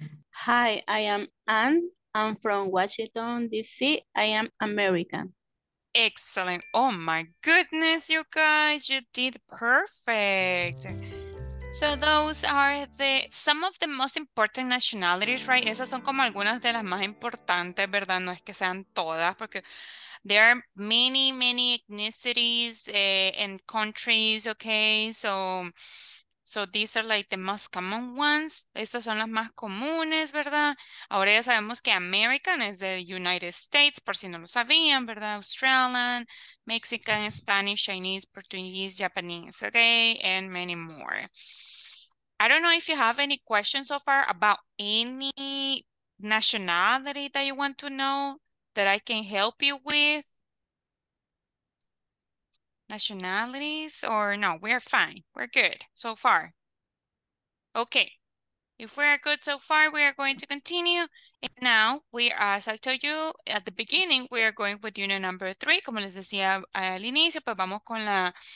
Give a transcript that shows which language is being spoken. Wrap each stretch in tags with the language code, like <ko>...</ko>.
<en>Hi, I am Anne. I'm from Washington, D.C. I am American. Excellent. Oh my goodness, you guys, you did perfect. So those are the some of the most important nationalities, right?</en> <es>Esas son como algunas de las más importantes, ¿verdad? No es que sean todas, porque</es> <en>there are many, many ethnicities and countries, okay? So these are like the most common ones.</en> <es>Estas son las más comunes, ¿verdad? Ahora ya sabemos que American es de United States, por si no lo sabían, ¿verdad?</es> <en>Australian, Mexican, Spanish, Chinese, Portuguese, Japanese, okay? And many more. I don't know if you have any questions so far about any nationality that you want to know that I can help you with. Nationalities or no, we're fine. We're good so far. Okay, If we are good so far, we are going to continue. And now, we, as I told you at the beginning, we are going with unit number 3.</en> <es>Como les decía al inicio, pues vamos con la...</es>